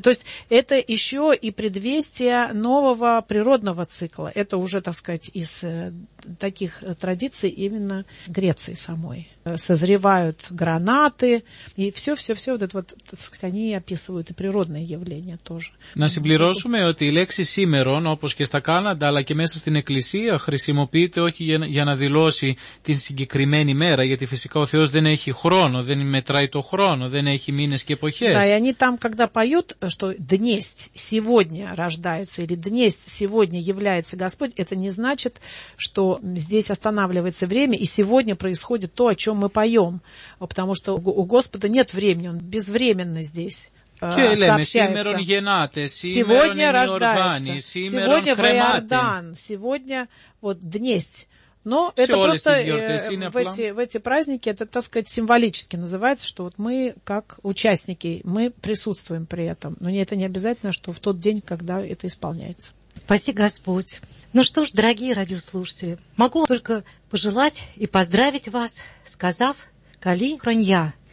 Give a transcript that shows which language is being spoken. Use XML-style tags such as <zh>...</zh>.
<ru>То есть это еще и предвестие нового природного цикла. Это уже, так сказать, из таких традиций именно Греции самой. Созревают гранаты, и все-все-все, вот это вот, так сказать, они описывают и природные явления тоже.</ru> <el>На συμπληρώσουμε ότι η λέξη σήμερον, όπως και στα Κάνατα, αλλά και μέσα στην Εκκλησία, χρησιμοποιείται όχι για να δηλώσει την συγκεκριμένη μέρα, γιατί φυσικά ο Θεός δεν έχει χρόνο, δεν μετράει το χρόνο, δεν έχει μήνες και εποχές.</el> <ru>Да, и они там, когда поют, что днесть сегодня рождается, или днесть сегодня является Господь, это не значит, что здесь останавливается время, и сегодня происходит то, о чем мы поем, потому что у Господа нет времени, Он безвременно здесь.</ru> <el>Και λέμε, σήμερον γεννάται, σήμερον ορφάνι, σήμερον κρεμάται.</el> <ru>Сегодня вот днесть. Но это просто в эти праздники, это, так сказать, символически называется, что вот мы как участники, мы присутствуем при этом. Но это не обязательно, что в тот день, когда это исполняется. Спаси Господь. Ну что ж, дорогие радиослушатели, могу только пожелать и поздравить вас, сказав «Кали хронья».</ru>